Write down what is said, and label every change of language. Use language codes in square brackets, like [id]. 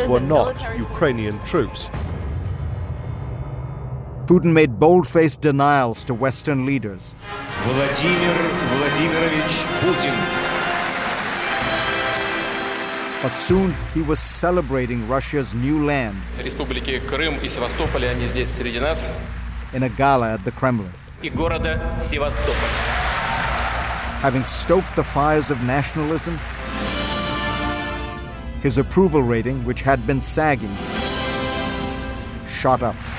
[en] These were not Ukrainian troops. Putin made bold-faced denials to Western leaders. Vladimir Vladimirovich Putin. But soon he was celebrating Russia's new land. [ru] Республики Крым и Севастополь, они здесь среди нас. [en] In a gala at the Kremlin. [ru] И города Севастополь. [en] Having stoked the fires of nationalism, his approval rating, which had been sagging, shot up.